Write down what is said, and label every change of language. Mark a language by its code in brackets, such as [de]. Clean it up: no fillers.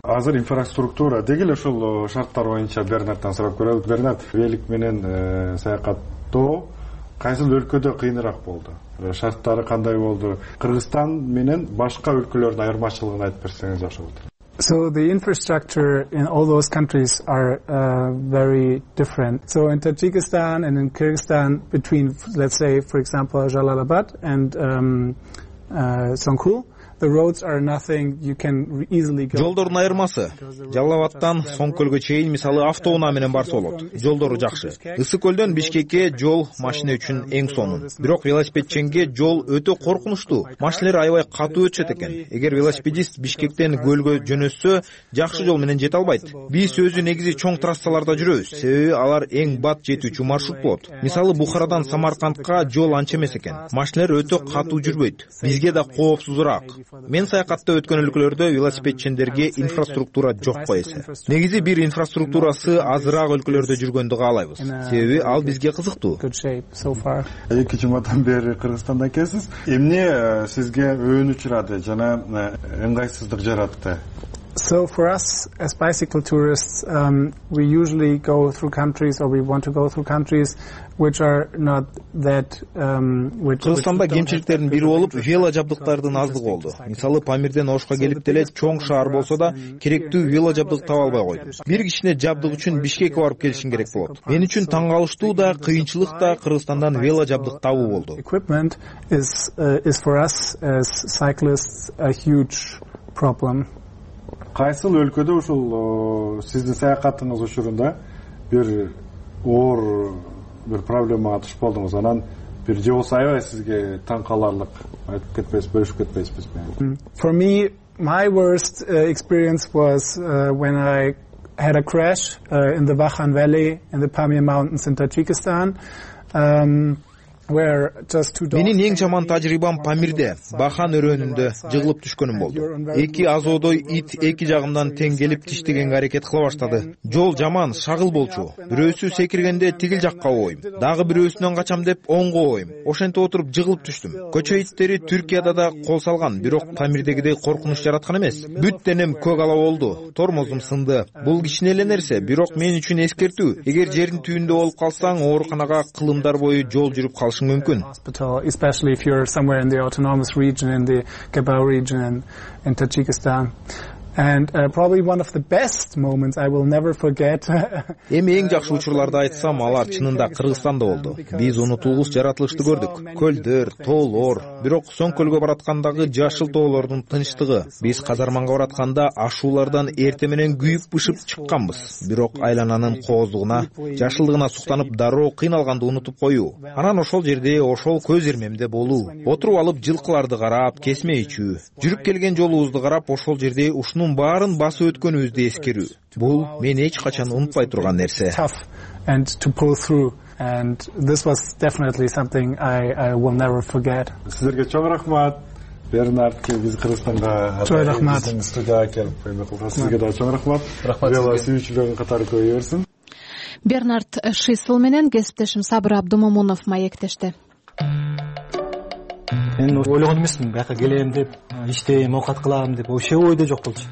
[ky] Азыр инфраструктура деги эле ушул шарттар боюнча Бернарддан сурап көрөбүз. Бернард, велик менен саякаттоо кайсыл өлкөдө кыйыныраак болду? Шарттары кандай болду? Кыргызстан менен башка өлкөлөрдүн айырмачылыгын айтып берсеңиз жакшы болот. [en] So the infrastructure in all those countries are very different. So in Tajikistan and in Kyrgyzstan between let's say for example Jalalabad and Songkhul the roads are nothing you can easily go. [ky] Жолдордун айырмасы Жалалабаддан Сонкөлгө чейин мисалы автоунаа менен барса болот. Жолдору жакшы. Ысык көлдөн Бишкекке жол машина үчүн эң сонун. Бирок велосипедченге жол өтө коркунучтуу. Машинелер аябай катуу өтүшөт экен. Эгер велосипедист Бишкектен көлгө жөнөссө, жакшы жол менен жете албайт. Биз өзү негизи чоң трассаларда жүрөбүз. Себеби алар эң бат жетүүчү маршрут болот. Мисалы Бухарадан Самаркандка жол анча эмес экен. Машинелер өтө катуу жүрбөйт. Бизге да коопсузураак. Мен саякатта өткөн өлкөлөрдө велосипедчендерге инфраструктура жок ко эсе. Негизи бир инфраструктурасы азыраак өлкөлөрдө жүргөндү каалайбыз. Себеби ал бизге кызыктуу. 2 жумадан бери Кыргызстандан келесиз. Эмне сизге өөн учурады жана ыңгайсыздык жаратты? [en] So for us as bicycle tourists we usually go through countries or we want to go through countries which are not that which [ky] is Кыргызстанда кемчиликтердин бири болуп вело жабдыктардын аздыгы болду. Мисалы Памирден Ошко келип деле чоң шаар болсо да керектүү вело жабдык таба албай койдубуз. Бир кишине жабдык үчүн Бишкекке барып келишин керек болот. Мен үчүн таң калыштуу да кыйынчылык да Кыргызстандан вело жабдык табуу болду. [en] Equipment is for us as cyclists a huge problem. [ky] Кайсыл өлкөдө ушул сиздин саякатыңыз учурунда бир оор бир проблемага туш болдуңуз, анан бир же болсо аябай сизге таң каларлык айтып кетпейсиз, бөлүшүп кетпейсиз менен? [en] For me my worst experience was when I had a crash in the Bakhan Valley in the Pamir Mountains in Tajikistan. [ky] Менин эң жаман тажрыйбам Памирде, Бахан өрөөнүндө жыгылып түшкөнүм болду. Эки азоодой ит эки жагымдан тең келип тиштегенге аракет кыла баштады. Жол жаман, шагыл болчу. Бирөөсү секиргенде тигил жакка ойм. Дагы бирөөсүнөн качам деп оңго ойм. Ошентип отуруп жыгылып түштүм. Көчө иттери Түркияда да кол салган, бирок Памирдегидей коркунуч жараткан эмес. Бүт денем көк ала болду, тормозум сынды. Бул кичине эле нерсе, бирок мен үчүн эскертүү. Эгер жердин түйүндө болуп калсаң, ооруканага кылымдар бою жол жүрүп калышың мүмкүн. [en] Hospital, especially if you're somewhere in the autonomous region in the Gebau region in Tajikistan. And probably one of the best moments I will never forget. [ky] Эми эң жакшы учурларды айтсам, алар чынында Кыргызстанда болду. Биз унутулгус жаратылышты көрдүк. Көлдөр, тоолор, бирок Сонкөлгө бараткандагы жашыл тоолордун тынчтыгы. Биз казарманга баратканда ашуулардан эрте менен күйүп бышып чыкканбыз. Бирок айлананын кооздугуна, жашылдыгына суктанып дароо кыйналганды унутуп коюу. Анан ошол жерде, ошол көз ирмемде болуу, отуруп алып жылкыларды карап, кесме ичүү, жүрүп келген жолубузду карап, ошол жерде ушунун баарын басып өткөнүбүздү эскерүү. Бул мен эч качан унутпай турган нерсе. And to pull through, and this was definitely something I will never forget. Сиздерге чоң рахмат. Бернард, биз Кыргызстанга чоң рахмат. Студияга келип койду. Сизге да чоң рахмат. Рахмат сизге. Велосипедчилердин катары көбөйө берсин. Бернард Шисл менен кесиптешим Сабыр Абдымомунов маектешти. Мен ойлогон эмесмин, бияка келем деп, иштейм, оокат кылам деп, ошол ойдо жок болчу.